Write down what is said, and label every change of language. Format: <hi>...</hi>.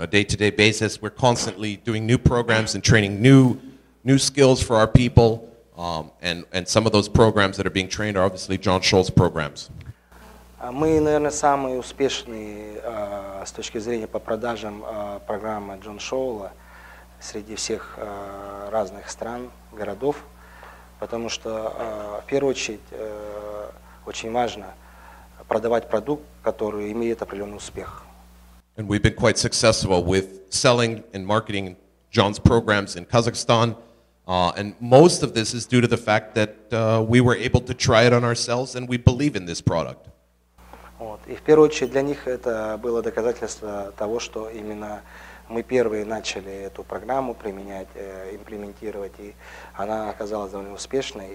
<en>On a day-to-day basis, we're constantly doing new programs and training new skills for our people, and some of those programs that are being trained are obviously John Scholl's programs.</en> <ru>Мы, наверное, самые успешные с точки зрения по продажам программы Джон Шоула среди всех разных стран, городов. потому что в первую очередь очень важно продавать продукт, который имеет определенный успех.</ru> <en>And we've been quite successful with selling and marketing John's programs in Kazakhstan. And most of this is due to the fact that we were able to try it on ourselves and we believe in this product.</en> <ru>Вот. И в первую очередь для них это было доказательство того, что именно мы первые начали эту программу применять, имплементировать, и она оказалась довольно успешной.</ru>